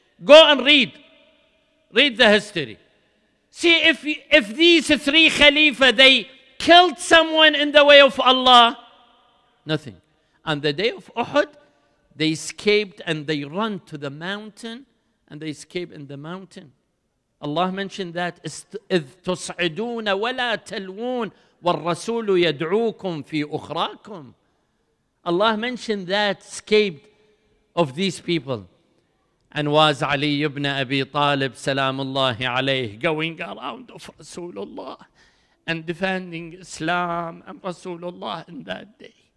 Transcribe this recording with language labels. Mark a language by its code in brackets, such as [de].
[en] Go and read the history. See if these three Khalifa, they killed someone in the way of Allah? Nothing. On the day of Uhud, they escaped and they run to the mountain and they escape in the mountain. Allah mentioned that [ar] إِذْ تُصْعِدُونَ وَلَا تَلْوُونَ وَالرَّسُولُ يَدْعُوكُمْ فِي أُخْرَاكُمْ. [en] Allah mentioned that escaped of these people. And was Ali ibn Abi Talib salamullahi alayhi going around of Rasulullah and defending Islam and Rasulullah in that day?